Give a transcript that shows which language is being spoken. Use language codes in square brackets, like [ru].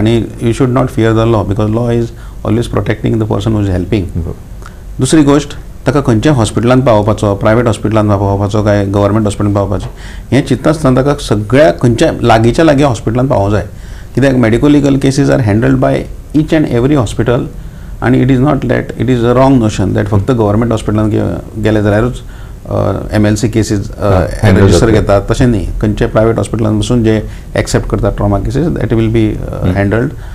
[en] आनी you should not fear the law because law is always protecting the person who is helping. [gom] दुसरी गोश्ट, ताका खंयच्या हॉस्पिटलांत पावोवपाचो, प्रायवेट हॉस्पिटलांत पावोवपाचो काय गव्हर्मेंट हॉस्पिटलांत पावोवपाचो हें चिंतनासतना ताका सगळ्या खंयच्या लागींच्या लागीं हॉस्पिटलांत पावो जाय. [en] कित्याक medical legal cases are handled by each and every hospital आणि it is not that it is a wrong notion that [gom] फक्त गव्हर्मेंट हॉस्पिटलांत गेले जाल्यारूच MLC केसीस रजिस्टर घेतात, तशें न्ही. खंयचे प्रायवेट हॉस्पिटलांत बसून जे एक्सेप्ट करतात trauma cases [en] That will be handled.